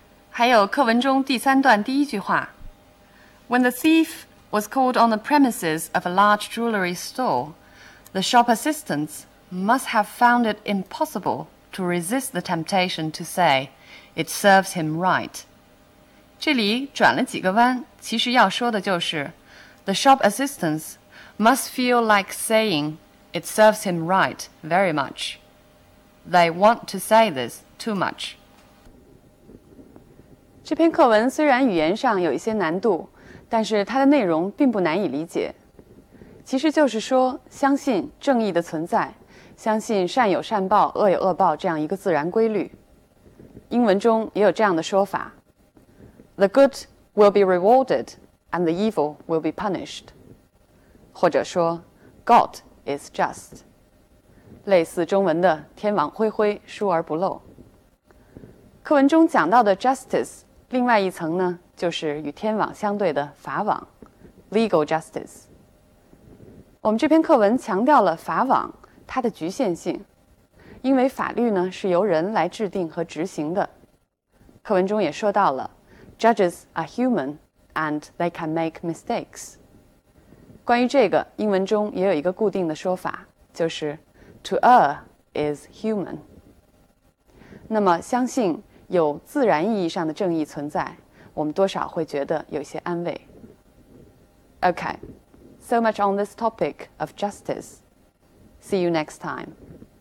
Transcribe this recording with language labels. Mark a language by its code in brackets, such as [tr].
[zh] 还有课文中第三段第一句话 [en] When the thief was caught on the premises of a large jewelry store, the shop assistants must have found it impossible to resist the temptation to say, it serves him right. [zh] 这里转了几个弯，其实要说的就是 [en] The shop assistants must feel like saying, it serves him right very much. They want to say this too much. [zh] 这篇课文虽然语言上有一些难度，但是它的内容并不难以理解。其实就是说，相信正义的存在，相信善有善报，恶有恶报这样一个自然规律。英文中也有这样的说法 [en] ：The good will be rewarded, and the evil will be punished. 或者说，God is just. [zh] 类似中文的“天网恢恢，疏而不漏”。课文中讲到的 justice。另外一层呢，就是与天网相对的法网 ， legal justice。我们这篇课文强调了法网它的局限性，因为法律呢是由人来制定和执行的。 [en] 课文中也说到了，judges are human and they can make mistakes。 [zh] 关于这个，英文中也有一个固定的说法，就是 to err is human。那么相信。有自然意义上的正义存在，我们多少会觉得有些安慰。 [en] Okay, so much on this topic of justice. See you next time.